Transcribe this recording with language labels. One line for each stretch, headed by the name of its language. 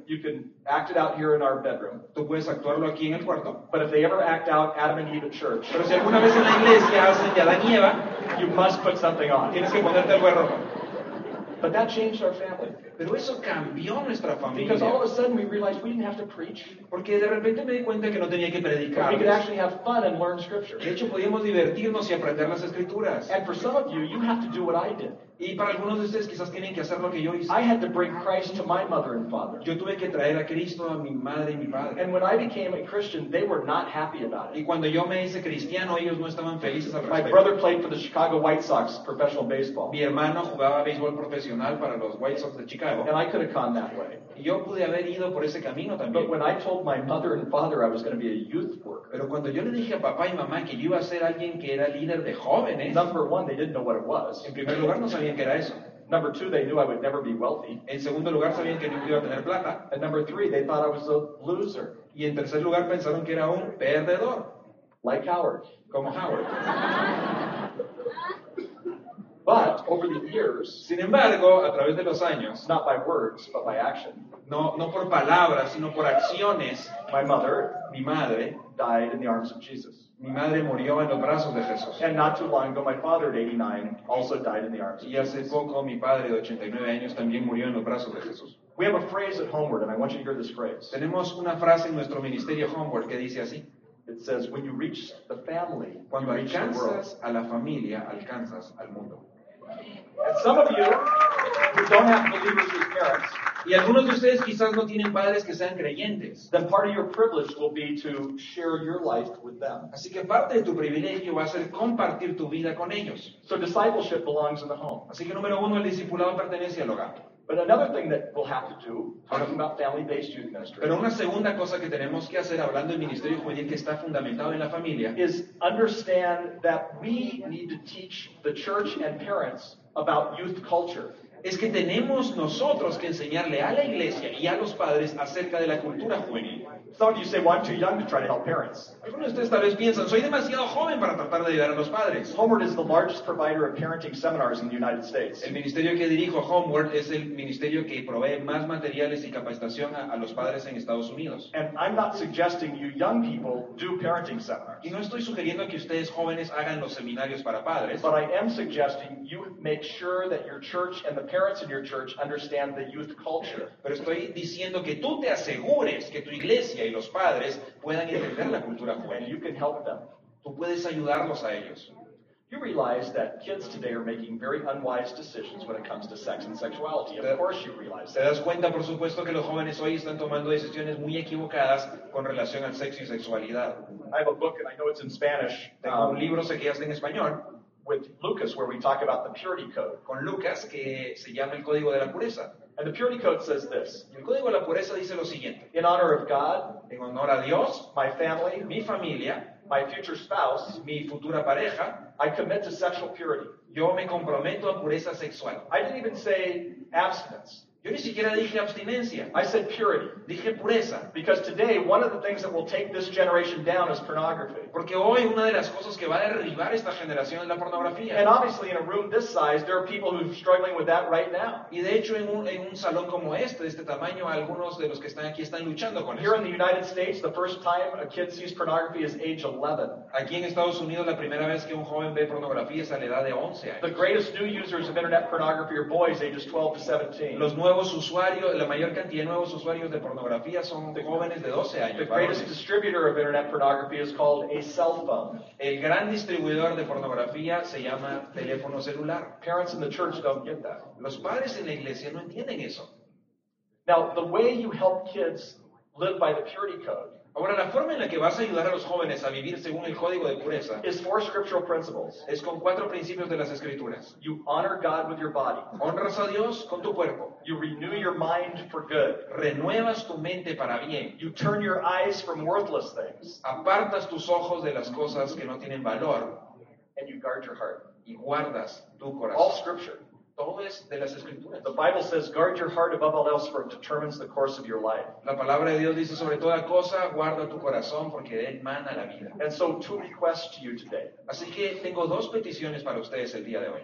English: you can act it out here in our bedroom.
Spanish: Tú puedes actuarlo aquí en el cuarto.
English: But if they ever act out Adam and Eve at church.
Spanish: Pero si alguna vez en la iglesia hacen de Adán y Eva,
English: you must put something on.
Spanish: Tienes que ponerte algo de ropa.
English: But that changed our family.
Spanish: Pero eso cambió nuestra familia.
English: Because all of a sudden we realized we didn't have to preach.
Spanish: Porque de repente me di cuenta que no tenía que predicar.
English: We could actually have fun and learn scripture.
Spanish: De hecho, podíamos divertirnos y aprender las escrituras.
English: And for some of you, you have to do what I did.
Spanish: Y para algunos de ustedes quizás tienen que hacer lo que yo hice.
English: I had to bring Christ to my mother and father.
Spanish: Yo tuve que traer a Cristo a mi madre y mi padre.
English: And when I became a Christian, they were not happy about it.
Spanish: Y cuando yo me hice cristiano, ellos no estaban felices al respecto.
English: My brother played for the Chicago White Sox professional baseball.
Spanish: Mi hermano jugaba béisbol profesional para los White Sox de Chicago.
English: And I could have gone that way.
Spanish: Yo pude haber ido por ese camino también.
English: But when I told my mother and father I was going to be a youth worker.
Spanish: Pero cuando yo le dije a papá y mamá que yo iba a ser alguien que era líder de jóvenes.
English: Number one, they didn't know what it was.
Spanish: En primer lugar, no sabían qué era eso.
English: Number two, they knew I would never be wealthy.
Spanish: En segundo lugar, sabían que nunca iba a tener plata.
English: And number three, they thought I was a loser.
Spanish: Y en tercer lugar, pensaron que era un perdedor.
English: Like Howard.
Spanish: Como Howard.
English: But over the years,
Spanish: sin embargo, a través de los años,
English: not by words, but by action,
Spanish: no por palabras, sino por acciones,
English: my mother,
Spanish: mi madre,
English: died in the arms of Jesus.
Spanish: Mi madre murió en los brazos de Jesús.
English: And not too long ago, my father at 89 also died in the arms of Jesus.
Spanish: Y hace poco, mi padre de 89 años también murió en los brazos de Jesús.
English: We have a phrase at Homeward, and I want you to hear this phrase.
Spanish: Tenemos una frase en nuestro ministerio Homeward que dice así.
English: It says, when you reach the family,
Spanish: cuando
English: you reach the world.
Spanish: Cuando alcanzas a la familia, alcanzas al mundo.
English: And some of you who don't have believers as parents.
Spanish: Y algunos de ustedes quizás no tienen padres que sean creyentes.
English: Then part of your privilege will be to share your life with them.
Spanish: Así que parte de tu privilegio va a ser compartir tu vida con ellos.
English: So discipleship belongs in the home.
Spanish: Así que número uno, el discipulado pertenece al hogar.
English: But another thing that we'll have to do, talking about family-based youth ministry.
Spanish: Pero una segunda cosa que tenemos que hacer hablando del ministerio juvenil que está fundamentado en la familia
English: is understand that we need to teach the church and parents about youth culture.
Spanish: Es que tenemos nosotros que enseñarle a la iglesia y a los padres acerca de la cultura juvenil.
English: Some of you say, well, I'm too young to try to help parents.
Spanish: Algunos de ustedes tal vez piensan, soy demasiado joven para tratar de ayudar a los padres.
English: Homeward is the largest provider of parenting seminars in the United States.
Spanish: El ministerio que dirijo, Homeward, es el ministerio que provee más materiales y capacitación a los padres en Estados Unidos.
English: And I'm not suggesting you young people do parenting seminars.
Spanish: Y no estoy sugiriendo que ustedes jóvenes hagan los seminarios para padres.
English: But I am suggesting you make sure that your church and the parents in your church understand the youth culture.
Spanish: Pero estoy diciendo que tú te asegures que tu iglesia y los padres puedan entender la cultura juvenil.
English: You can help them.
Spanish: Tú puedes ayudarlos a ellos.
English: You realize that kids today are making very unwise decisions when it comes to sex and sexuality. Of course you realize that.
Spanish: Te das cuenta, por supuesto, que los jóvenes hoy están tomando decisiones muy equivocadas con relación al sexo y sexualidad.
English: I have a book and I know it's in Spanish.
Spanish: Tengo un libro, sé que ya está en español.
English: With Lucas, where we talk about the purity code.
Spanish: Con Lucas, que se llama el código de la pureza.
English: And the purity code says this.
Spanish: El código de la pureza dice lo siguiente.
English: In honor of God,
Spanish: en honor a Dios,
English: my family,
Spanish: mi familia,
English: my future spouse,
Spanish: mi futura pareja,
English: I commit to sexual purity.
Spanish: Yo me comprometo a pureza sexual.
English: I didn't even say abstinence.
Spanish: Yo ni siquiera dije abstinencia.
English: I said purity.
Spanish: Dije pureza.
English: Because today, one of the things that will take this generation down is pornography.
Spanish: Porque hoy una de las cosas que va a derribar esta generación es la pornografía.
English: And obviously, in a room this size, there are people who are struggling with that right now.
Spanish: Y de hecho, en un salón como este, de este tamaño, algunos de los que están aquí están luchando con eso.
English: Here in the United States, the first time a kid sees pornography is age 11.
Spanish: Aquí en Estados Unidos, la primera vez que un joven ve pornografía es a la edad de 11 años.
English: The greatest new users of internet pornography are boys ages 12 to 17.
Spanish: Los nuevos usuarios, la mayor cantidad de nuevos usuarios de pornografía son jóvenes de 12 años.
English: The greatest distributor of internet pornography is called a cell phone.
Spanish: El gran distribuidor de pornografía se llama teléfono celular.
English: Parents in the church don't get that.
Spanish: Los padres en la iglesia no entienden eso.
English: Now, the way you help kids live by the purity code.
Spanish: Ahora, la forma en la que vas a ayudar a los jóvenes a vivir según el código de pureza
English: is four scriptural principles.
Spanish: Es con cuatro principios de las Escrituras.
English: You honor God with your body.
Spanish: Honras a Dios con tu cuerpo.
English: You renew your mind for good.
Spanish: Renuevas tu mente para bien.
English: You turn your eyes from worthless things.
Spanish: Apartas tus ojos de las cosas que no tienen valor.
English: And you guard your heart.
Spanish: Y guardas tu corazón.
English: All scripture.
Spanish: Todo es de las Escrituras.
English: The Bible says, guard your heart above all else, for it determines the course of your life.
Spanish: La palabra de Dios dice, sobre toda cosa, guarda tu corazón, porque de él mana la vida.
English: And so, two requests to you today.
Spanish: Así que, tengo dos peticiones para ustedes el día de hoy.